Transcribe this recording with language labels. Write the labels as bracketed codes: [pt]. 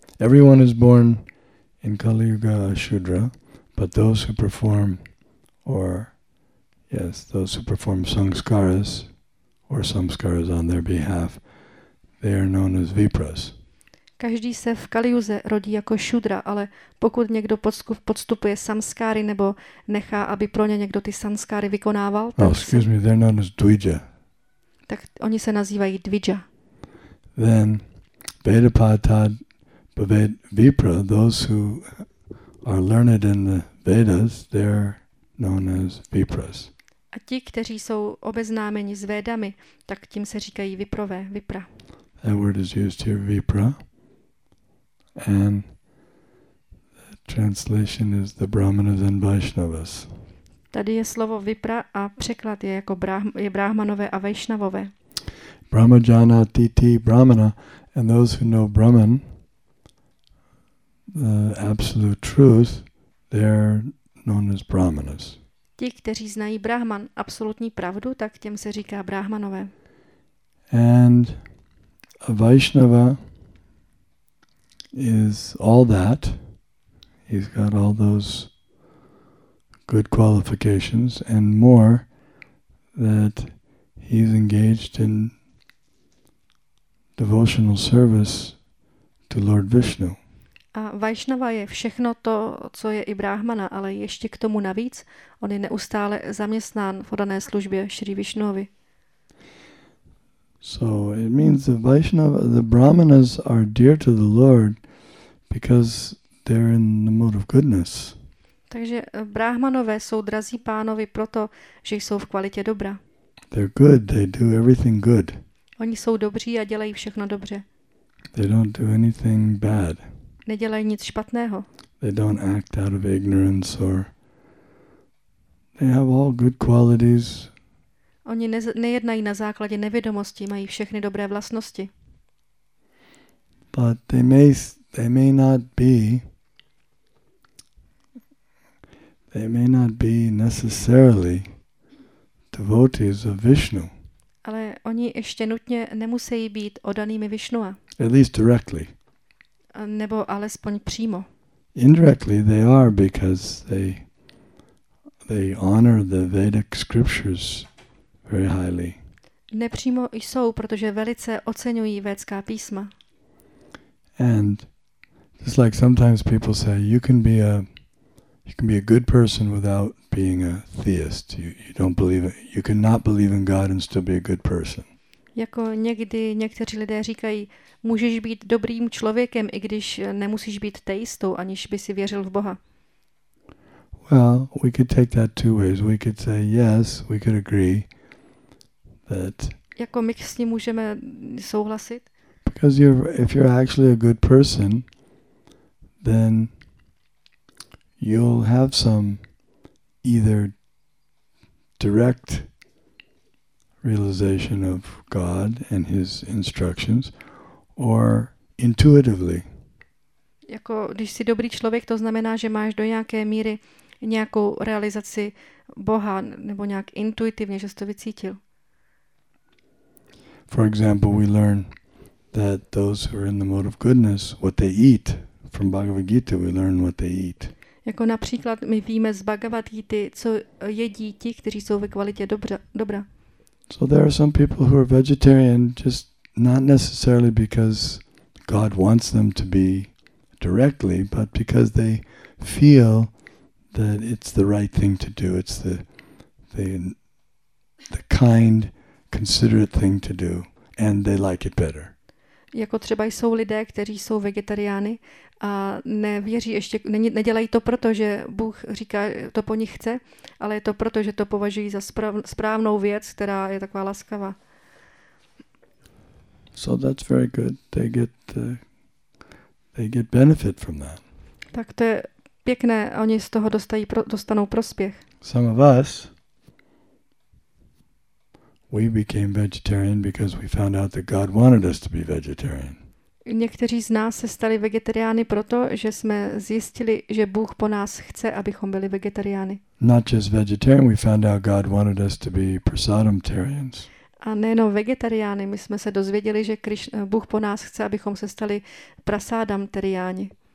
[en] Everyone is born in Kali Yuga Shudra, but those who perform those who perform sanskaras or samskaras on their behalf, they are known as vipras. [cs] Každý se v Kaliuze rodí jako šudra, ale pokud někdo podstupuje samskáry nebo nechá, aby pro ně někdo ty samskáry vykonával, tak, [en] They're known as dvija. [cs] Tak oni se nazývají dvija. [en] Then Vedapata, Vipra, those who are learned in the Vedas, they're known as Vipras. [cs] A ti, kteří jsou obeznámeni s Védami, tak tím se říkají Viprové, Vipra. [en] That word is used here, Vipra. And the translation is the Brahmanas and Vaishnavas. [cs] Tady je slovo Vipra a překlad je jako je Brahmanové a Vaishnavové. [sa] Brahmajana titi Brahmana, [en] and those who know Brahman, the absolute truth, they're known as Brahmanas. [cs] Ti, kteří znají Brahman, absolutní pravdu, tak těm se říká Brahmanové. [en] And a Vaishnava is all that. He's got all those good qualifications and more, that he's engaged in devotional service to Lord Vishnu. [cs] A Vaishnava je všechno to, co je i Brahmana, ale ještě k tomu navíc, on je neustále zaměstnán v oddané službě Shri Vishnuovi. [en] So it means the Vaishnava, the Brahmanas are dear to the Lord because they're in the mode of goodness. [cs] Takže Brahmanové jsou drazí pánovi proto, že jsou v kvalitě dobra. [en] They're good, they do everything good. [cs] Oni jsou dobří a dělají všechno dobře. [en] They don't do anything bad. [cs] Nedělají nic špatného. [en] They don't act out of ignorance or they have all good qualities. [cs] Oni nejednají na základě nevědomosti, mají všechny dobré vlastnosti. [en] But they may not be. They may not be necessarily devotees of Vishnu. [cs] Ale oni ještě nutně nemusí být oddanými Vishnua. [en] At least directly. [cs] Nebo alespoň přímo. [en] Indirectly they are, because they honor the Vedic scriptures very highly. [cs] Nepřímo jsou, protože velice oceňují védská písma. [en] And just like sometimes people say, you can be a good person without being a theist. You cannot believe in God and still be a good person. [cs] Jako někdy někteří lidé říkají, můžeš být dobrým člověkem, i když nemusíš být teistou, aniž by si věřil v Boha. [en] Well, we could take that two ways. We could say yes, we could agree that. [cs] Jako my s ním můžeme souhlasit? [en] Because if you're actually a good person, then you'll have some either direct realization of God and his instructions, or intuitively. [cs] Jako když jsi dobrý člověk, to znamená, že máš do nějaké míry nějakou realizaci Boha, nebo nějak intuitivně, že jsi to vycítil. [en] For example, we learn that those who are in the mode of goodness, what they eat, from Bhagavad Gita, we learn what they eat. [cs] Jako například my víme z Bhagavad Gita, co jedí ti, kteří jsou ve kvalitě dobra. [en] So there are some people who are vegetarian just not necessarily because God wants them to be directly, but because they feel that it's the right thing to do. It's the kind, considerate thing to do, and they like it better. [cs] Jako třeba jsou lidé, kteří jsou vegetariány a nevěří ještě, nedělají to proto, že Bůh říká, to po nich chce, ale je to proto, že to považují za správnou věc, která je taková laskavá. [en] So that's very good. They get benefit from that. [cs] Tak to je pěkné, oni z toho dostanou prospěch. [en] Some of us, we became vegetarian because we found out that God wanted us to be vegetarian. [cs] Někteří z nás se stali vegetariány proto, že jsme zjistili, že Bůh po nás chce, abychom byli vegetariány. [en] Not just vegetarian, we found out God wanted us to be prasadamtarians. [cs] A nejenom vegetariány, my jsme se dozvěděli, že Bůh po nás chce, abychom se stali prasadamtariáni.